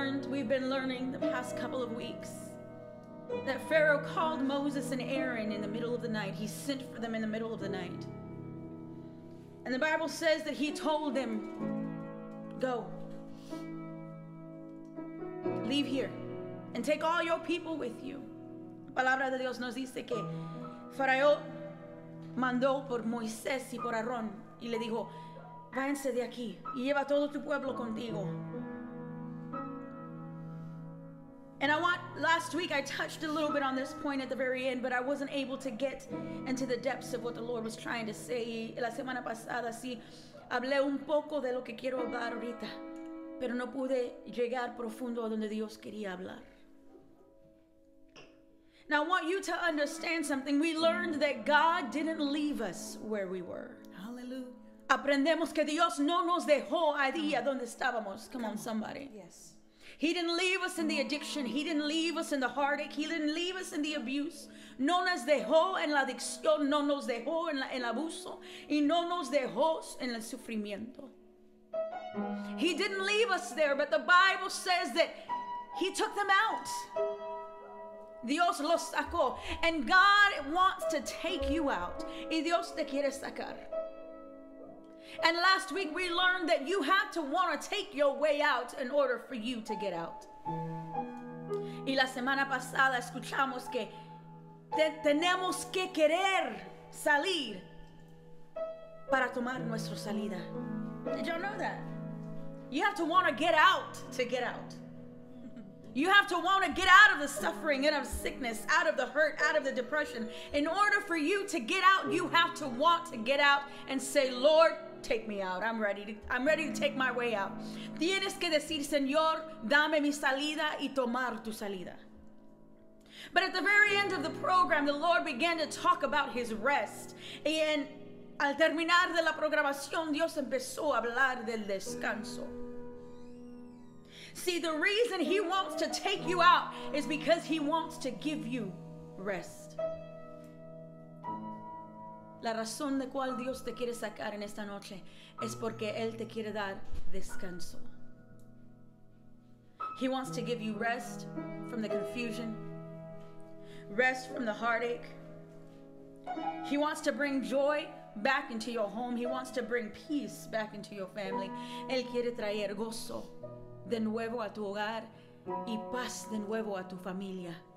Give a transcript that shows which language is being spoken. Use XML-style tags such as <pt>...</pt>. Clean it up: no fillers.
<en>We've been learning the past couple of weeks that Pharaoh called Moses and Aaron in the middle of the night. He sent for them in the middle of the night. And the Bible says that he told them, go. Leave here and take all your people with you.</en> <es>Palabra de Dios nos dice que Faraón mandó por Moisés y por Aarón y le dijo, váyanse de aquí y lleva todo tu pueblo contigo.</es> <en>And last week I touched a little bit on this point at the very end, but I wasn't able to get into the depths of what the Lord was trying to say.</en> <es>Y la semana pasada sí hablé un poco de lo que quiero hablar ahorita, pero no pude llegar profundo a donde Dios quería hablar.</es> <en>Now I want you to understand something. We learned that God didn't leave us where we were. Hallelujah.</en> <es>Aprendemos que Dios no nos dejó ahí donde estábamos.</es> <en>Come on, somebody. Yes. He didn't leave us in the addiction. He didn't leave us in the heartache. He didn't leave us in the abuse.</en> <es>No nos dejó en la adicción. No nos dejó en el abuso. Y no nos dejó en el sufrimiento.</es> <en>He didn't leave us there, but the Bible says that he took them out.</en> <es>Dios los sacó.</es> <en>And God wants to take you out.</en> <es>Y Dios te quiere sacar.</es> <en>And last week we learned that you have to want to take your way out in order for you to get out.</en> <es>Y la semana pasada escuchamos que tenemos que querer salir para tomar nuestra salida.</es> <en>Did y'all know that? You have to want to get out to get out. You have to want to get out of the suffering and of sickness, out of the hurt, out of the depression. In order for you to get out, you have to want to get out and say, Lord, take me out. I'm ready to take my way out.</en> <es>Tienes que decir, Señor, dame mi salida y tomar tu salida.</es> <en>But at the very end of the program, the Lord began to talk about his rest.</en> <es>Y en, al terminar de la programación, Dios empezó a hablar del descanso.</es> <en>See, the reason he wants to take you out is because he wants to give you rest.</en> <es>La razón de cual Dios te quiere sacar en esta noche es porque él te quiere dar descanso.</es> <en>He wants to give you rest from the confusion, rest from the heartache. He wants to bring joy back into your home. He wants to bring peace back into your family.</en> <es>Él quiere traer gozo de nuevo a tu hogar y paz de nuevo a tu familia.</es>